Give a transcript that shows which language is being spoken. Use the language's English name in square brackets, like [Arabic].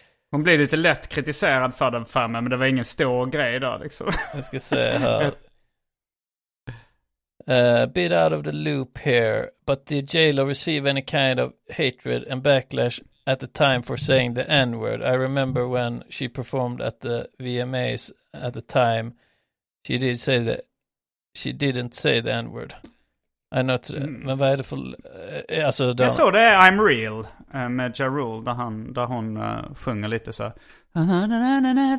[Swedish] Hon blev lite lätt kritiserad för den för mig, men det var ingen stor grej då. Liksom. Jag ska se här. [English] Bit out of the loop here, but did J-Lo receive any kind of hatred and backlash at the time for saying the N-word? I remember when she performed at the VMAs at the time, she did say that she didn't say the N-word. I know today. [Swedish] Mm. Men vad är det för... alltså, jag tror det är I'm Real med Ja Rule, där hon sjunger lite så här.